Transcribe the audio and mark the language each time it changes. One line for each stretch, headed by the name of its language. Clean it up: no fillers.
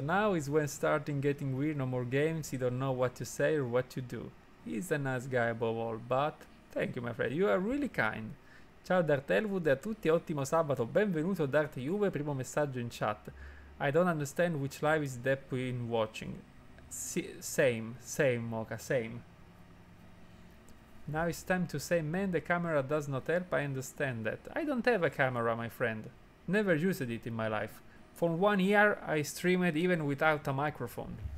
English: Now is when starting getting weird, no more games, you don't know what to say or what to do. He's a nice guy above all, but thank you my friend, you are really kind.
Italian: Ciao Darth Elwood e a tutti, ottimo sabato, benvenuto Darth Juve, primo messaggio in chat.
English: I don't understand which live is Depp in watching. Same Mocha, same. Now it's time to say, man, the camera does not help, I understand that. I don't have a camera, my friend. Never used it in my life. For 1 year I streamed even without a microphone.